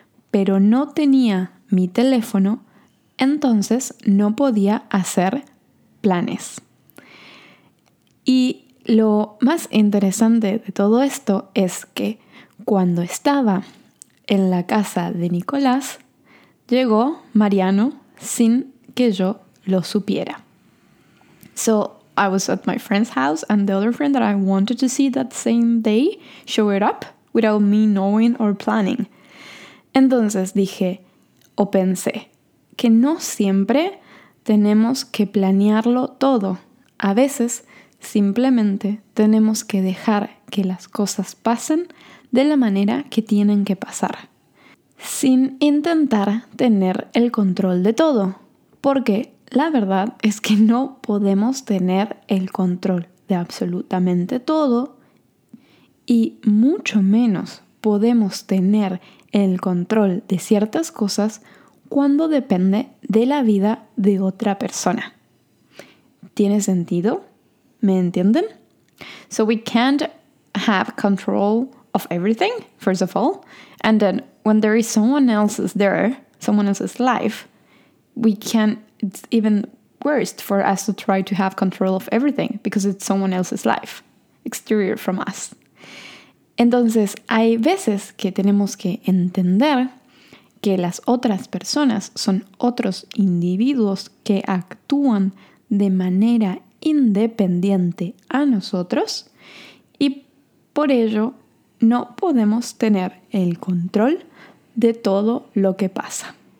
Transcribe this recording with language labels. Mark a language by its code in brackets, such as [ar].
[es] Pero no tenía mi teléfono, entonces no podía hacer planes. Y lo más interesante de todo esto es que cuando estaba en la casa de Nicolás, llegó Mariano sin que yo lo supiera. [en] So, I was at my friend's house and the other friend that I wanted to see that same day showed up without me knowing or planning. [es] Entonces dije, o pensé, que no siempre tenemos que planearlo todo. A veces, simplemente tenemos que dejar que las cosas pasen de la manera que tienen que pasar, sin intentar tener el control de todo, porque la verdad es que no podemos tener el control de absolutamente todo y mucho menos podemos tener el control de ciertas cosas cuando depende de la vida de otra persona. ¿Tiene sentido? ¿Me entienden? [en] So we can't have control of everything, first of all, and then when there is someone else's there, someone else's life, we can, it's even worse for us to try to have control of everything because it's someone else's life, exterior from us. [es] Entonces, hay veces que tenemos que entender que las otras personas son otros individuos que actúan de manera independiente a nosotros y por ello no podemos tener el control de todo lo que pasa.